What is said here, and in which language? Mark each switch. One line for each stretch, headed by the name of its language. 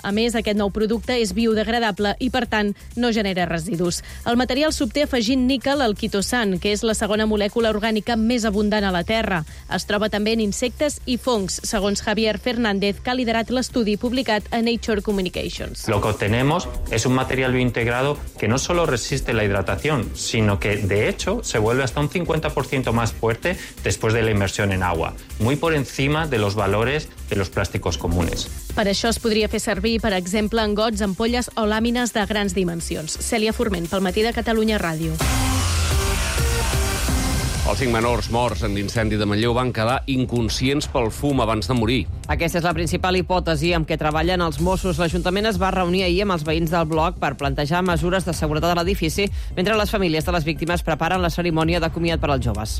Catalan: A més, aquest nou producte és biodegradable i, per tant, no genera residus. El material s'obté afegint níquel al quit que és la segona molècula orgànica més abundant a la Terra. Es troba també en insectes i fongs, segons Javier Fernández, que ha liderat l'estudi publicat a Nature Communications.
Spanish: Lo que obtenemos es un material biointegrado que no solo resiste la hidratación, sino que, de hecho, se vuelve hasta un 50% más fuerte después de la inmersión en agua, muy por encima de los valores de los plásticos comunes.
Catalan: Per això es podria fer servir, per exemple, en gots, ampolles o làmines de grans dimensions. Cèlia Forment, pel matí de Catalunya Ràdio. Els 5 menors morts en l'incendi de Manlleu van quedar inconscients pel fum abans de morir. Aquesta és la principal hipòtesi amb què treballen els Mossos. L'Ajuntament es va reunir ahir amb els veïns del bloc per plantejar mesures de seguretat a l'edifici, mentre les famílies de les víctimes preparen la cerimònia de comiat per als joves.